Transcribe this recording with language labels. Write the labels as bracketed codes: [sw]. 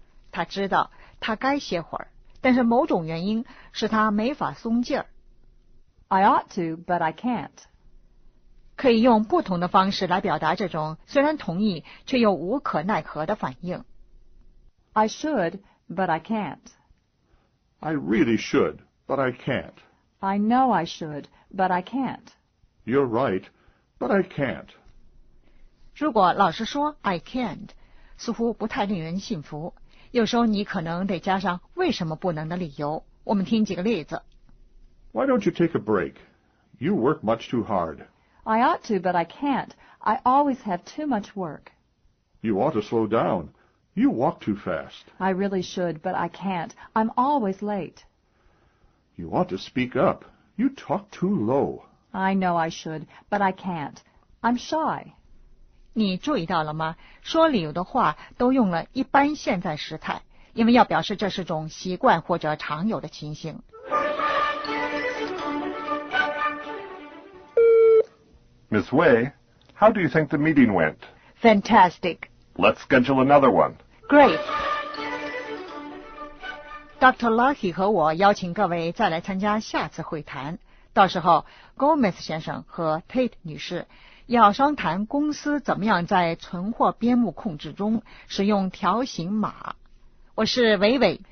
[zh] 他知道他该歇会儿，但是某种原因使他没法松劲儿。 [en] I ought to, but I can't. [zh] 可以用不同的方式来表达这种虽然同意却又无可奈何的反应。 [en] I should, but I can't. I really should, but I can't. I know I should, but I can't. You're right, but I can't. [zh] 如果老师说 [en] I can't, [zh] 似乎不太令人信服。有时候你可能得加上为什么不能的理由。我们听几个例子。 [en] Why don't you take a break? You work much too hard. I ought to, but I can't. I always have too much work. You ought to slow down. You walk too fast. I really should, but I can't. I'm always late. You ought to speak up. You talk too low. I know I should, but I can't. I'm shy. [zh] 你注意到了吗？说理由的话都用了一般现在时态，因为要表示这是种习惯或者常有的情形。 [en] Miss Wei, how do you think the meeting went? Fantastic. Let's schedule another one. Great. Dr. [zh] Lucky 和我邀请各位再来参加下次会谈，到时候 Gomez 先生和 Tate 女士要商谈公司怎么样在存货边牧控制中使用条形码。我是伟伟。